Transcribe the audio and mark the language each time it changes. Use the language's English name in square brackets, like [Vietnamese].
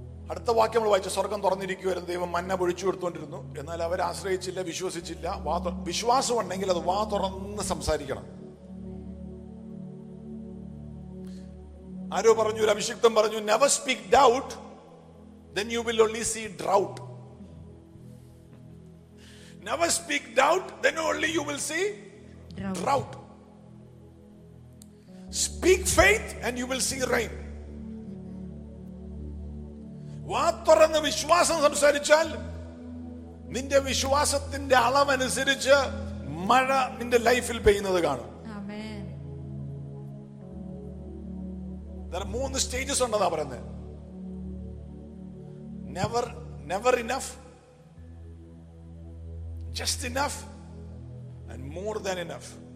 [Malayalam] അടുത്ത വാക്യം നമ്മൾ വായിച്ചു, സ്വർഗം തുറന്നിരിക്കുവായിരുന്നു, ദൈവം മന്ന പൊഴിച്ചു കൊടുത്തോണ്ടിരുന്നു. എന്നാൽ അവർ ആശ്രയിച്ചില്ല, വിശ്വസിച്ചില്ല. വിശ്വാസം ഉണ്ടെങ്കിൽ അത് വാ തുറന്ന് സംസാരിക്കണം. ആരോ പറഞ്ഞു, ഒരു അഭിഷിക്തം പറഞ്ഞു, [English] Never speak doubt, then you will only see drought. Never speak doubt, then only you will see drought. Speak faith and you will see rain. [Malayalam] വാതുറന്ന് വിശ്വാസം സംസാരിച്ചാൽ നിന്റെ വിശ്വാസത്തിന്റെ അളവനുസരിച്ച് മഴ നിന്റെ ലൈഫിൽ പെയ്യുന്നത് കാണും. [English] Amen. There are 3 stages [Malayalam] ഉണ്ടെന്നാ പറയുന്നത്. [English] Never enough, just enough, and more than enough.